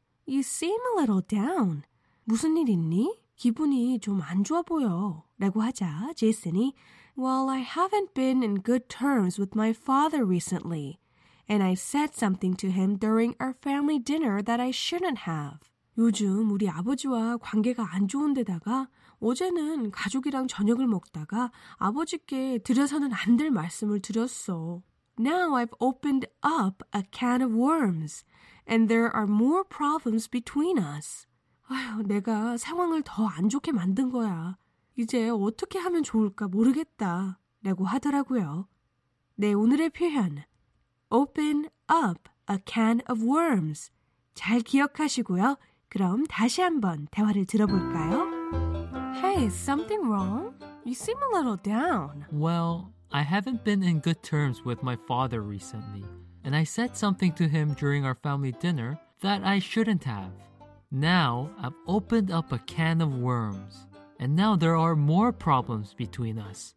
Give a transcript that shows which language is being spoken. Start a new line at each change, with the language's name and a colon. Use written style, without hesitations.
English: You seem a little down.
Korean: 무슨 일 있니? 기분이 좀 안 좋아 보여. 라고 하자 제이슨이
English: Well, I haven't been in good terms with my father recently. And I said something to him during our family dinner that I shouldn't have.
Korean: 요즘 우리 아버지와 관계가 안 좋은데다가 어제는 가족이랑 저녁을 먹다가 아버지께 드려서는 안 될 말씀을 드렸어.
English: Now I've opened up a can of worms, and there are more problems between us.
Korean: 아휴, 내가 상황을 더 안 좋게 만든 거야. 이제 어떻게 하면 좋을까 모르겠다 라고 하더라고요. 네, 오늘의 표현
English: Open up a can of worms
Korean: 잘 기억하시고요. 그럼 다시 한번 대화를 들어볼까요?
English: Hey, something wrong? You seem a little down. Well, I haven't been in good terms with my father recently, and I said something to him during our family dinner that I shouldn't have. Now, I've opened up a can of worms, and now there are more problems between us.